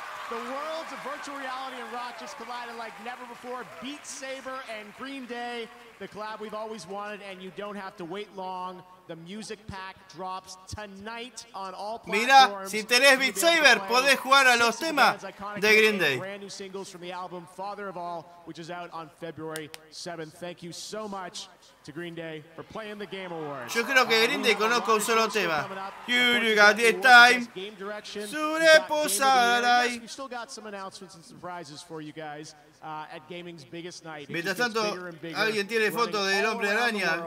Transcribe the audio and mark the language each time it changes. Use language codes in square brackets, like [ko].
[en] The worlds of virtual reality and rock just collided like never before. Beat Saber and Green Day, the collab we've always wanted, and you don't have to wait long. The music pack drops tonight on all platforms. [es] Mira, si tenés Beat Saber, podés jugar a los temas de Green Day. [en] Brand new singles from the album Father of All, which is out on February 7th. Thank you so much to Green Day for playing the Game Awards. [es] Yo creo que Green Day conozco un solo tema. [en] You got the time. Game direction. Sure, posaray. We still got some announcements and surprises for you guys. At gaming's biggest night. [es] Mientras tanto, alguien tiene foto del hombre araña.